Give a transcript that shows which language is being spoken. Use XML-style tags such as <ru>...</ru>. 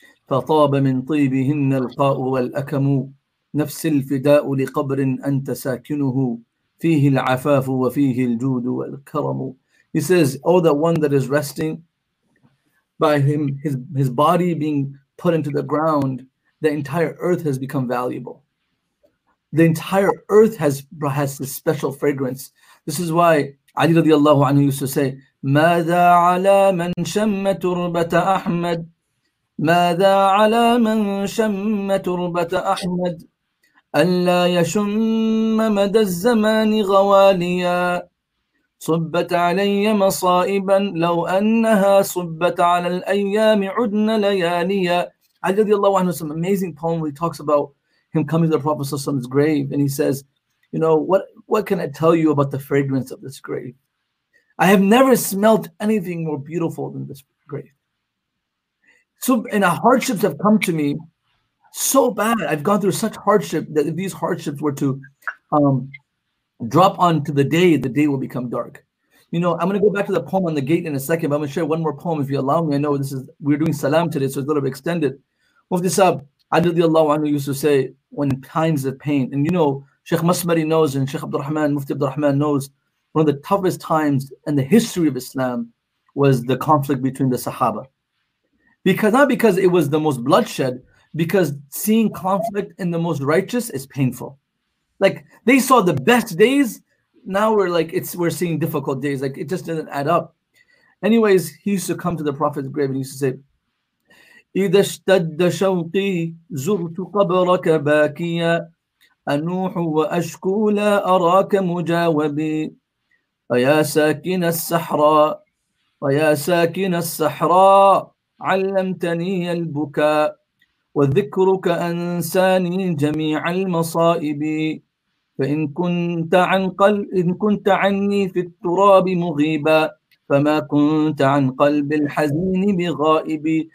<ar>فطاب من طيبهن القاء والأكم نفس الفداء لقبر أنت ساكنه فيه العفاف وفيه الجود والكرم."</ar> <en>He says, "Oh, the one that is resting by him, his body being put into the ground, the entire earth has become valuable. The entire earth has this special fragrance." This is why Ali radiallahu anhu used to say,</en> <ar>"Mada ala man shamma turbata Ahmad. ماذا على من شم تربة أحمد ألا يشم مدى الزمان غواليا صبت علي مصائبا لو أنها صبت على الأيام عدن لياليا. علي رضي الله عنه</ar> <en>has an amazing poem where he talks about him coming to the Prophet</en> <ar>صلى الله عليه وسلم's</ar> <en>grave, and he says, you know, what can I tell you about the fragrance of this grave? I have never smelt anything more beautiful than this grave. So, and our hardships have come to me so bad. I've gone through such hardship that if these hardships were to drop onto the day will become dark. You know, I'm going to go back to the poem on the gate in a second, but I'm going to share one more poem if you allow me. I know this is, we're doing salam today, so it's a little bit extended. Mufti Saab, radiyallahu anhu, used to say, when times of pain, and you know, Sheikh Masmari knows, and Sheikh Abdurrahman, Mufti Abdurrahman knows, one of the toughest times in the history of Islam was the conflict between the Sahaba. Because, not because it was the most bloodshed, because seeing conflict in the most righteous is painful. Like, they saw the best days, now we're like, we're seeing difficult days. Like, it just didn't add up. Anyways, he used to come to the Prophet's grave and he used to say,</en> <ar>إِذَا اشْتَدَّ شَوْقِي زُرْتُ قَبْرَكَ بَاكِيًا أَنُوحُ وَأَشْكُو لَا أَرَاكَ مُجَاوَبِي وَيَا سَاكِنَ السَّحْرَاءِ وَيَا سَاكِنَ السَّحْرَاءِ عَلَّمْتَنِي الْبُكَاءِ وذكرك أنساني جميع المصائب فإن كنت عن قلب إن كنت عني في التراب مغيبا فما كنت عن قلب الحزين بغائب.</ar>